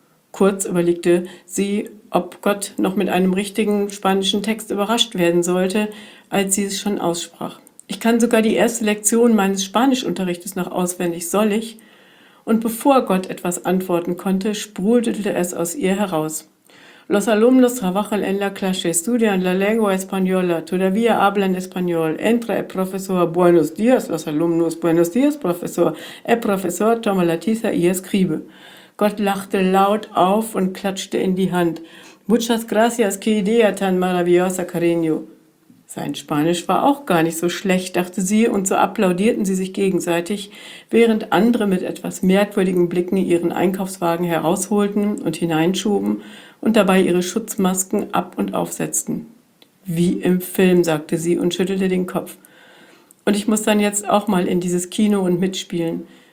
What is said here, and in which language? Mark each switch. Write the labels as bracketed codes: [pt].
[de] Kurz überlegte sie, ob Gott noch mit einem richtigen spanischen Text überrascht werden sollte, als sie es schon aussprach. Ich kann sogar die erste Lektion meines Spanischunterrichtes noch auswendig, soll ich? Und bevor Gott etwas antworten konnte, sprudelte es aus ihr heraus. [es] Los alumnos trabajan en la clase, estudian la lengua española, todavía hablan español. Entra el profesor, buenos días, los alumnos, buenos días, profesor. El profesor toma la tiza y escribe. [de] Gott lachte laut auf und klatschte in die Hand. [es] Muchas gracias, qué idea tan maravillosa, cariño. [de] Sein Spanisch war auch gar nicht so schlecht, dachte sie, und so applaudierten sie sich gegenseitig, während andere mit etwas merkwürdigen Blicken ihren Einkaufswagen herausholten und hineinschoben und dabei ihre Schutzmasken ab- und aufsetzten. Wie im Film, sagte sie und schüttelte den Kopf. Und ich muss dann jetzt auch mal in dieses Kino und mitspielen.